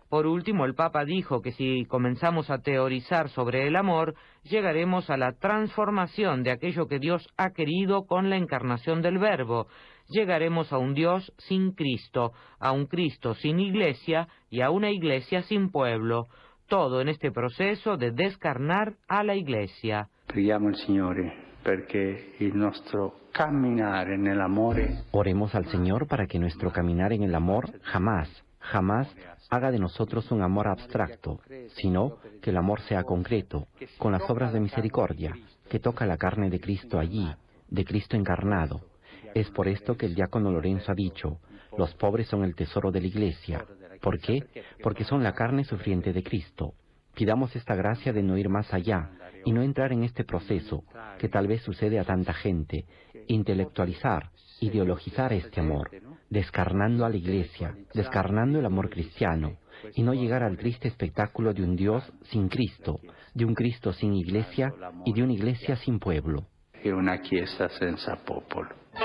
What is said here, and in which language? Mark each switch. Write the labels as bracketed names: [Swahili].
[Spanish] Por último, el Papa dijo que si comenzamos a teorizar sobre el amor, llegaremos a la transformación de aquello que Dios ha querido con la encarnación del Verbo. Llegaremos a un Dios sin Cristo, a un Cristo sin Iglesia y a una Iglesia sin pueblo. Todo en este proceso de descarnar a la Iglesia. [Italian] Preghiamo al Signore perché il nostro camminare nell'amore. [Spanish] Oremos al Señor para que nuestro caminar en el amor jamás, jamás haga de nosotros un amor abstracto, sino que el amor sea concreto, con las obras de misericordia, que toca la carne de Cristo allí, de Cristo encarnado. Es por esto que el diácono Lorenzo ha dicho, los pobres son el tesoro de la Iglesia. ¿Por qué? Porque son la carne sufriente de Cristo. Pidamos esta gracia de no ir más allá y no entrar en este proceso, que tal vez sucede a tanta gente, intelectualizar, ideologizar este amor, descarnando a la Iglesia, descarnando el amor cristiano, y no llegar al triste espectáculo de un Dios sin Cristo, de un Cristo sin Iglesia y de una Iglesia sin pueblo. [Italian] Y una Chiesa senza popolo.